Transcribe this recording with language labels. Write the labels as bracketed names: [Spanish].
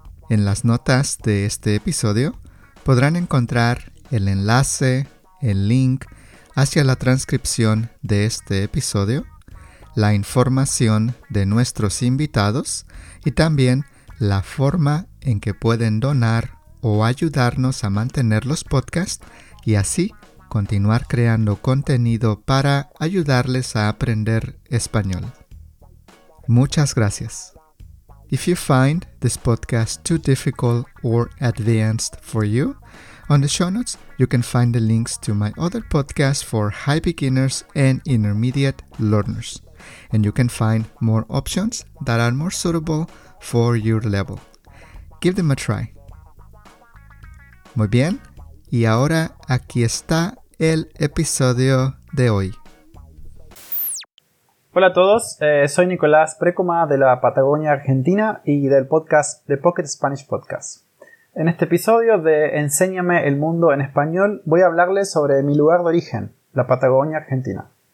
[Spanish] En las notas de este episodio podrán encontrar el enlace, el link hacia la transcripción de este episodio, la información de nuestros invitados y también la forma en que pueden donar o ayudarnos a mantener los podcasts y así continuar creando contenido para ayudarles a aprender español. Muchas gracias. [English] If you find this podcast too difficult or advanced for you, on the show notes, you can find the links to my other podcasts for high beginners and intermediate learners. And you can find more options that are more suitable for your level. Give them a try. [Spanish] Muy bien, y ahora aquí está el episodio de hoy. Hola a todos, soy Nicolás Precoma de la Patagonia Argentina y del podcast The Pocket Spanish Podcast. En este episodio de Enséñame el Mundo en Español voy a hablarles sobre mi lugar de origen, la Patagonia Argentina.